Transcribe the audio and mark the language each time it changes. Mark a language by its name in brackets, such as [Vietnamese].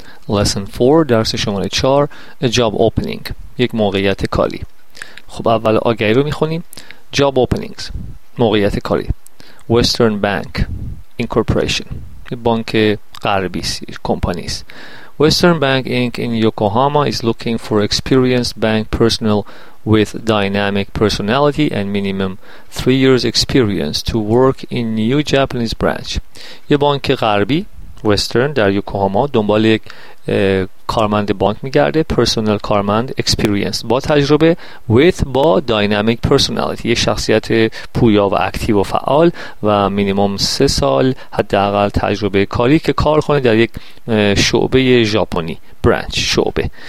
[Persian] لسن 4 درس شماره 4 جاب اوپنینگ یک موقعیت کاری. خب اول آگهی رو میخونیم. جاب اوپنینگز موقعیت کاری. وسترن بانک اینکورپوریشن بانک غربی است، کمپانی است. [English] Western Bank Inc. in Yokohama is looking for experienced bank personnel with dynamic personality and minimum 3 years experience to work in new Japanese branch. [Persian] یه بانک غربی Western در یوکوهاما دنبال یک کارمند بانک میگرده، پرسونل کارمند experience با تجربه with با [English] dynamic personality [Persian] یه شخصیت پویا و اکتیو و فعال و مینیمم 3 سال حداقل تجربه کاری که کار کنه در یک شعبه ژاپنی branch شعبه.